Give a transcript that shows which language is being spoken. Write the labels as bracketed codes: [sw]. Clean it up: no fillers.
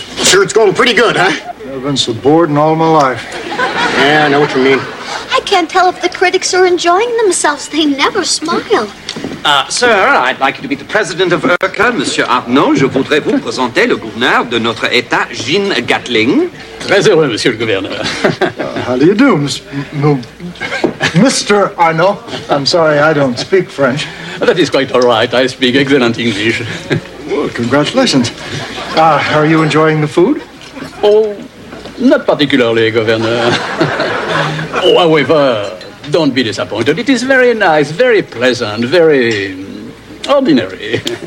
[en] Sure, it's going pretty good, huh? I've been so bored in all my life. Yeah, I know what you mean. I can't tell if the critics are enjoying themselves. They never smile. Sir, I'd like you to be the president of IRCA. [fr] Monsieur Arnaud, je voudrais vous présenter le gouverneur de notre état, Jean Gatling. Très heureux, monsieur le gouverneur. [en] How do you do, Mr. Arnaud? I'm sorry, I don't speak French. That is quite all right. I speak excellent English. Well, congratulations. Are you enjoying the food? Oh, not particularly, gouverneur. Oh, however, don't be disappointed. It is very nice, very pleasant, very ordinary.